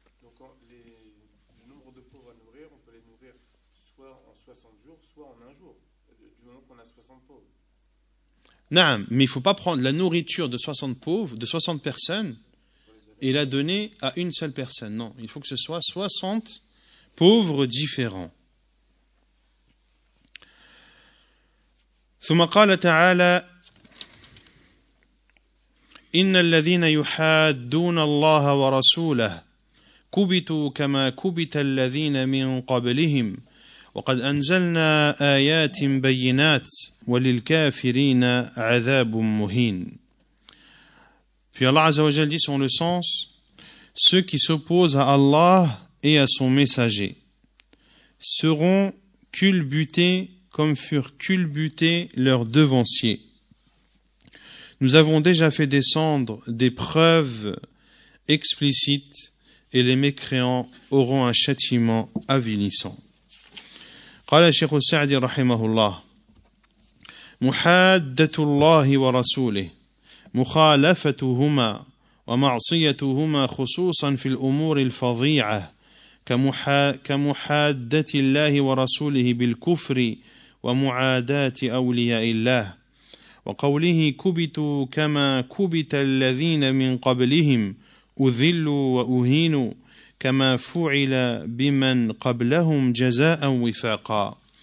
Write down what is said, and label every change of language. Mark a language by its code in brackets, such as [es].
[fr] Donc le nombre de pauvres à nourrir, on peut les nourrir soit en 60 jours, soit en un jour, du moment qu'on a 60 pauvres. Non, mais il ne faut pas prendre la nourriture de 60 pauvres, de 60 personnes, et la donner à une seule personne. Non, il faut que ce soit 60 pauvres différents. [ar] ثم قال تعالى إن الذين يحادون الله ورسوله كبتوا كما كبت الذين من قبلهم وقد أنزلنا آيات بينات وللكافرين عذاب مهين. [fr] Puis Allah [ar] عز وجل [fr] dit son le sens, ceux qui s'opposent à Allah et à son messager seront culbutés comme furent culbutés leurs devanciers. Nous avons déjà fait descendre des preuves explicites et les mécréants auront un châtiment avilissant. [ar] قال الشيخ السعدي رحمه الله محادة الله ورسوله مخالفتهما ومعصيتهما خصوصا في الأمور الفظيعة كمحادة الله ورسوله بالكفر ومعادات أولياء الله وقوله كبتوا كما كبت الذين من قبلهم أذلوا وأهينوا كما فعل بمن قبلهم جزاء وفاقا